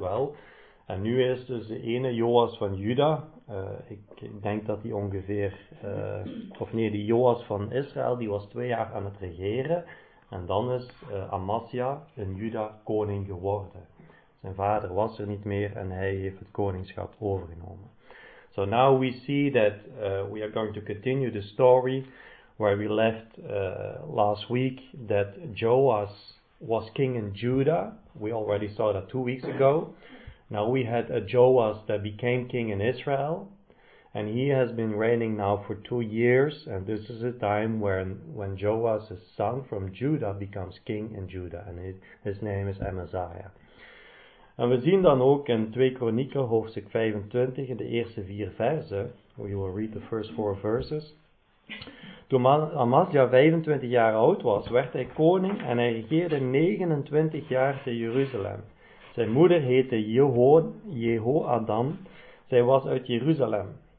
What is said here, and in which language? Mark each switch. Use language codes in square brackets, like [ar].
[nl] Wel, en nu is dus de ene Joas van Juda. Ik denk dat die ongeveer, die Joas van Israël, die was 2 jaar aan het regeren. En dan is Amasja een Juda koning geworden. Zijn vader was er niet meer en hij heeft het koningschap overgenomen. [en] So now we see that we are going to continue the story where we left last week, that Joas was king in Judah. We already saw that 2 weeks ago. Now we had a Joas that became king in Israel, and he has been reigning now for 2 years, and this is a time when Joas's son from Judah becomes king in Judah, and his name is Amaziah. [nl] En we zien dan ook in 2 Kronieken hoofdstuk 25, in de eerste 4 versen, [en] we will read the first 4 verses. [nl] Toen Amasja 25 jaar oud was, werd hij koning en hij regeerde 29 jaar te Jeruzalem. Zijn moeder heette Jehoadam. Zij was uit Jeruzalem.